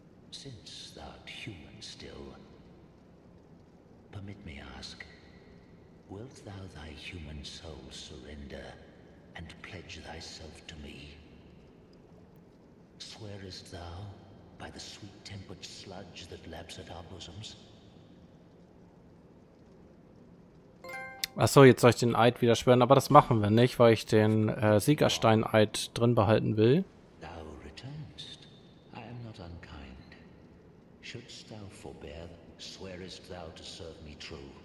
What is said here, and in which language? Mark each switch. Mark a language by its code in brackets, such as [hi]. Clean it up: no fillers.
[en] Since thou'rt human still, permit me ask, wilt thou thy human soul surrender and pledge thyself to me? Swearest thou by the sweet-tempered sludge that laps at our bosoms? [de] Achso, jetzt soll ich den Eid wieder schwören, aber das machen wir nicht, weil ich den Siegerstein-Eid drin behalten will. [en] Thou returnst. I am not unkind. Shouldst thou forbear, swearest thou to serve me true?